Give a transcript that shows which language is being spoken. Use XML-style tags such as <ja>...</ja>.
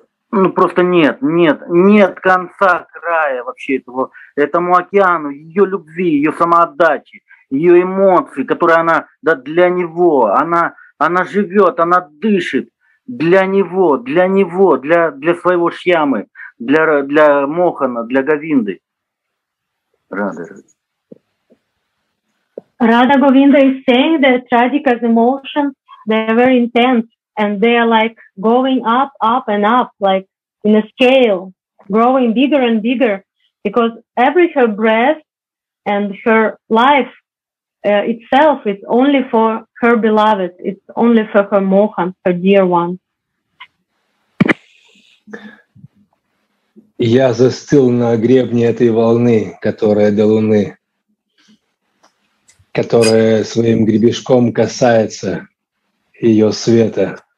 <ru>ну просто нет конца края вообще этому океану, ее любви, ее самоотдачи, ее эмоции, которые она, да, для него, она живет, она дышит для него, для своего Шьямы, для Мохана, для Говинды. Рада.</ru> <en>Рада Говинда is saying that Radhika's emotions, they are very intense and they are like going up and up, like in a scale, growing bigger and bigger, because every her breath and her life itself is only for her beloved, it's only for her Mohan, her dear one.</en> <ru>Я застыл на гребне этой волны, которая до луны, которая своим гребешком касается ее света.</ru>